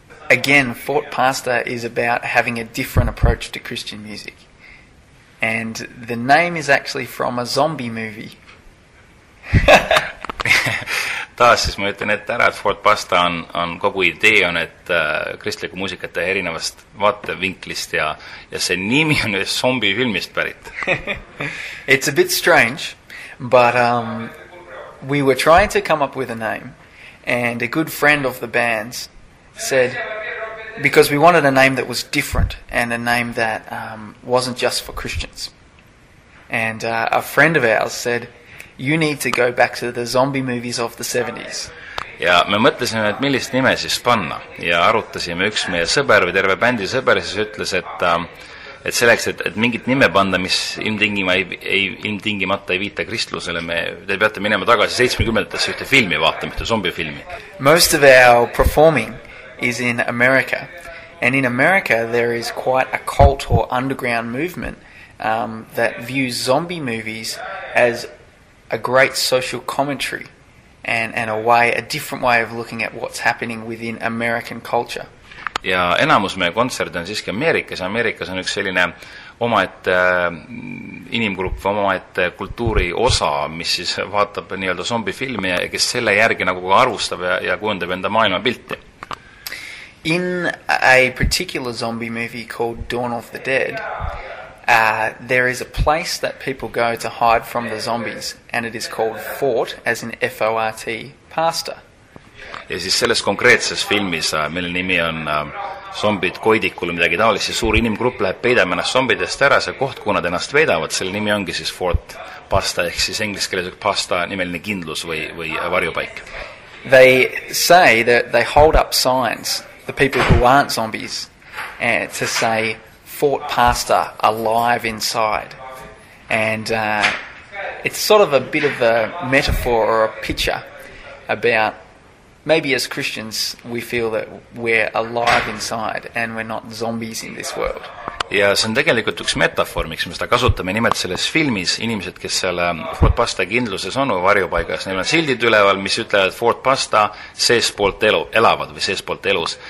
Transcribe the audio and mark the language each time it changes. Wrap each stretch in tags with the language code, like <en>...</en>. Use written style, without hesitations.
<en>Again, Fort Pastor is about having a different approach to Christian music. And the name is actually from a zombie movie.</en> <et>Taas siis ma ütlen, et ära, et Fort Pastor on kogu idee on, et kristliku muusikat teha erinevast vaatevinklist ja see nimi on ühest zombi filmist pärit.</et> <en>It's a bit strange, but we were trying to come up with a name and a good friend of the bands said, because we wanted a name that was different and a name that wasn't just for Christians. And a friend of ours said, you need to go back to the zombie movies of the 70s.</en> <et>Ja me mõtlesime, et millist nime siis panna. Ja arutasime üks meie sõber või terve bändi sõber, siis ütles, et et selleks, et mingit nime panna, mis ilmtingimata ei viita kristlusele, te peate minema tagasi 70-tesse ühte filmi vaatama, ühte zombifilmi.</et> <en>Most of our performing is in America. And in America, there is quite a cult or underground movement that views zombie movies as a great social commentary and a way, a different way of looking at what's happening within American culture.</en> <et>Ja enamus meie kontserte on siiski Ameerikas. Ameerikas on üks selline omaette inimgrupp, omaette kultuuri osa, mis siis vaatab nii-öelda zombifilmi ja kes selle järgi nagu ka arvustab ja kujundab enda maailma pilti.</et> <en>In a particular zombie movie called Dawn of the Dead, there is a place that people go to hide from the zombies, and it is called Fort, as in F-O-R-T, Pastor.</en> <et>Ja siis selles konkreetses filmis, mille nimi on Zombid koidikul, midagi taolis, siis suur inimgrupp läheb peidama ennast zombidest ära, see koht, kuna ennast veidavad, selle nimi ongi siis Fort Pasta, ehk siis englis keeles pasta nimeline kindlus või varjupaik.</et> <en>They say that they hold up signs, the people who aren't zombies, to say Fort Pasta alive inside. And it's sort of a bit of a metaphor or a picture about maybe as Christians we feel that we're alive inside and we're not zombies in this world.</en> <et>Ja see on tegelikult üks metafoor, miks me seda kasutame nimelt selles filmis. Inimesed, kes seal Fort Pasta kindluses on või varjupaigas, neil on sildid üleval, mis ütlevad Fort Pasta seespoolt elavad või seespoolt elus.</et>